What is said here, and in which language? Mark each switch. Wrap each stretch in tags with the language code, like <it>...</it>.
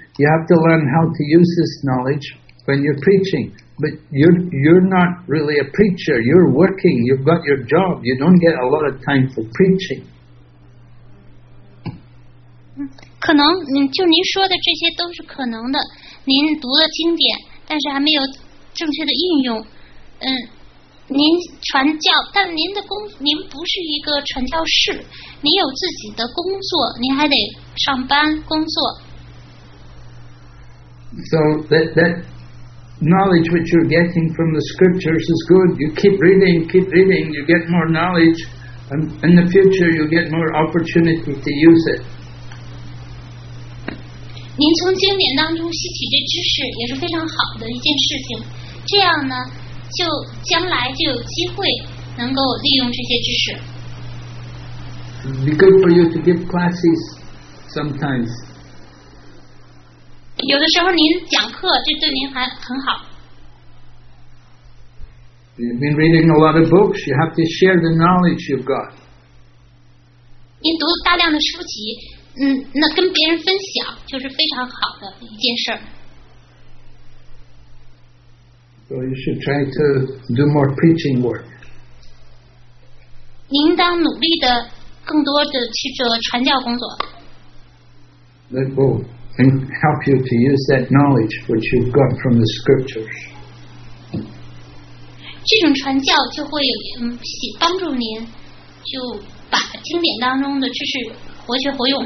<en>You have to learn how to use this knowledge when you're preaching. But you're not really a preacher. You're working. You've got your job. You don't get a lot of time for preaching.</en> <zh>可能就您说的这些都是可能的。您读了经典，但是还没有正确的应用。您传教，但您的工，您不是一个传教士，您有自己的工作，您还得上班工作。</zh> <en>So that knowledge which you're getting from the scriptures is good. You keep reading, you get more knowledge, and in the future you get more opportunity to use it.</en> <zh>您从经典当中吸取这知识也是非常好的一件事情，这样呢？就将来就有机会能够利用这些知识。</zh> <en>It'd be good for you to give classes sometimes.</en> <zh>有的时候您讲课，这对您还很好。</zh> <en>You've been reading a lot of books. You have to share the knowledge you've got.</en> <zh>您读大量的书籍，那跟别人分享就是非常好的一件事。</zh> <en>So you should try to do more preaching work.</en> <zh>您当努力的更多的去做传教工作。</zh> <en>That will help you to use that knowledge which you've got from the scriptures.</en> <zh>这种传教就会帮助您就把经典当中的知识活学活用。</zh>